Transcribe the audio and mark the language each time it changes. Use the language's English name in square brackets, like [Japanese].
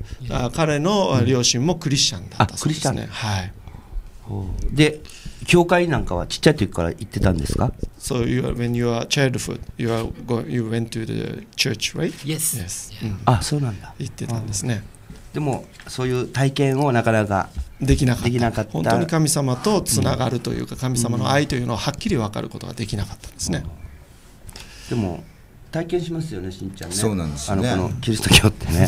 [Japanese] あ、彼の両親もクリスチャンだったそうですね、うん、あ、クリスチャン、はい、で教会なんかはちっちゃい時から行ってたんですか。 [English] So you are, when you are childhood you, are go, you went to the church, right? Yes, yes.、 [Japanese] うん、あ、そうなんだ。行ってたんですね。でもそういう体験をなかなかできなかった、できなかった。本当に神様とつながるというか、うん、神様の愛というのをはっきり分かることができなかったんですね、うん、でも体験しますよね、しんちゃんね。そうなんですよね、あのこのキリスト教ってね、